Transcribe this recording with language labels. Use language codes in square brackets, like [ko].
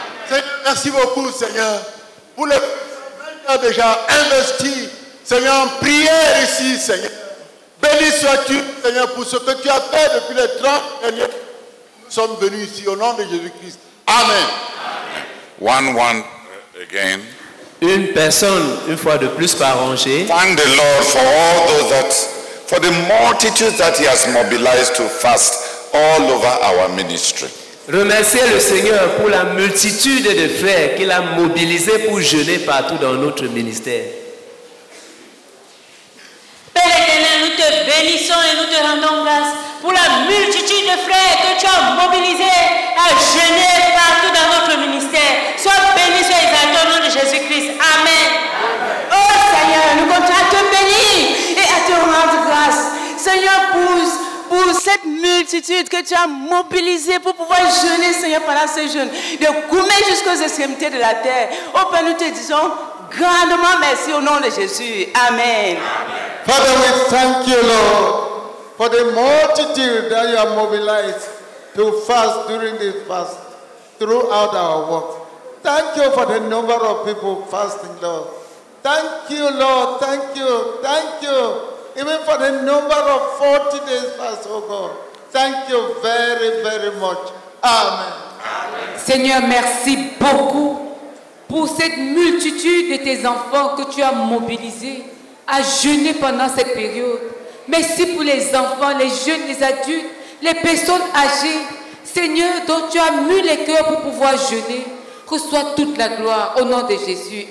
[fr] Seigneur, merci beaucoup, Seigneur, pour les 820 heures déjà investis, Seigneur, en prière ici, Seigneur. Béni sois-tu, Seigneur, pour ce que tu as fait depuis les 30 derniers. Nous sommes venus ici au nom de Jésus-Christ. Amen. [en] Amen. One again. [fr] Une personne, une fois de plus, par rangée. [en] Thank the Lord for all those that, for the multitudes that He has mobilized to fast all over our ministry. [fr] Remerciez le Seigneur pour la multitude de frères qu'il a mobilisés pour jeûner partout dans notre ministère. Père éternel, nous te bénissons et nous te rendons grâce pour la multitude de frères que tu as mobilisés à jeûner partout dans notre ministère. Sois béni, sois exalté au nom de Jésus-Christ. Amen. Amen. Oh Seigneur, nous continuons à te bénir et à te rendre grâce. Seigneur, pour cette multitude que tu as mobilisée pour pouvoir jeûner, Seigneur, pendant ce jeûne, de Goumé jusqu'aux extrémités de la terre. Oh Père, nous te disons grandement merci au nom de Jésus. Amen. Amen. [en] Father, we thank you, Lord, for the multitude that you have mobilized to fast during this fast throughout our work. Thank you for the number of people fasting, Lord. Thank you, Lord. Thank you. Thank you. Even for the number of 40 days fast, oh God. Thank you very, very much. Amen. [fr] Seigneur, merci beaucoup pour cette multitude de tes enfants que tu as mobilisés à jeûner pendant cette période. Merci pour les enfants, les jeunes, les adultes, les personnes âgées. Seigneur, dont tu as mis les cœurs pour pouvoir jeûner, reçois toute la gloire au nom de Jésus.